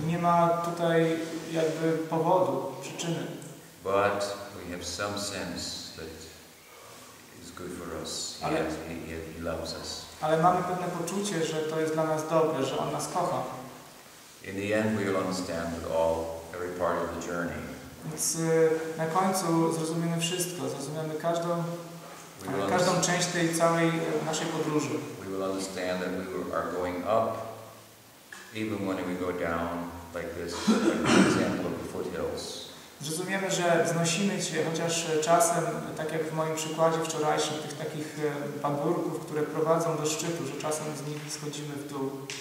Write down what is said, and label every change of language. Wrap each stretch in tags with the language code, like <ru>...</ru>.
<pl>I nie ma tutaj jakby powodu, przyczyny.</pl> <en>But we have some sense that it's good for us. He loves us.</en> <pl>Ale mamy pewne poczucie, że to jest dla nas dobre, że on nas kocha.</pl> <en>In the end, we will understand that all every part of the journey.</en> <pl>Więc na końcu zrozumiemy wszystko, zrozumiemy każdą część tej całej naszej podróży.</pl> <en>We will understand that we are going up, even when we go down like this, like the example of the foothills.</en> <pl>Zrozumiemy, że wznosimy się, chociaż czasem, tak jak w moim przykładzie wczorajszym, tych takich pagórków, które prowadzą do szczytu, że czasem z nich schodzimy w dół.</pl>